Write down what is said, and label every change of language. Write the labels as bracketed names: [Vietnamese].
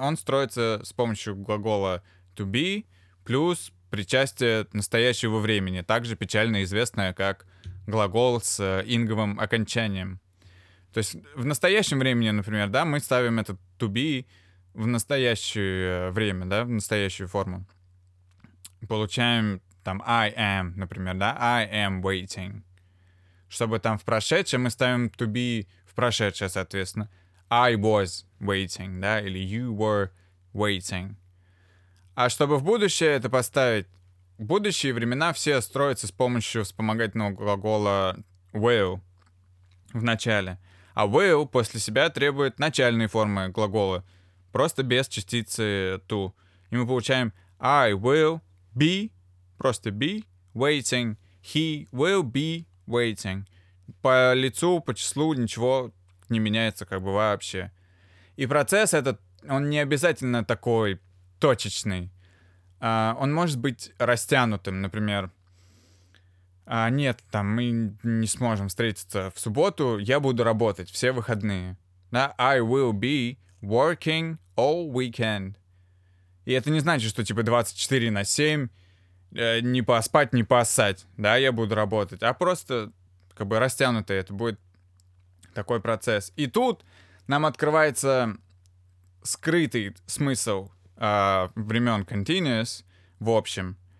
[Russian] Он строится с помощью глагола to be плюс причастие настоящего времени, также печально известное как глагол с инговым окончанием. То есть в настоящем времени, например, да, мы ставим этот to be в настоящее время, да, в настоящую форму. Получаем там I am, например, да, [English] I am waiting. [Russian] Чтобы там в прошедшее, мы ставим to be в прошедшее, соответственно. [English] I was waiting, да, или you were waiting. [Russian] А чтобы в будущее это поставить, будущие времена все строятся с помощью вспомогательного глагола will в начале. А will после себя требует начальной формы глагола, просто без частицы to. И мы получаем [English] I will be, [Russian] просто [English] be waiting. He will be waiting. [Russian] По лицу, по числу ничего не меняется как бы вообще. И процесс этот, он не обязательно такой точечный. Он может быть растянутым, например. Нет, там мы не сможем встретиться в субботу, я буду работать все выходные. Да? [English] I will be working all weekend. [Russian] И это не значит, что типа 24 на 7, не поспать, не поссать, да, я буду работать, а просто как бы растянуто, это будет такой процесс. И тут нам открывается скрытый смысл времен continuous, в общем.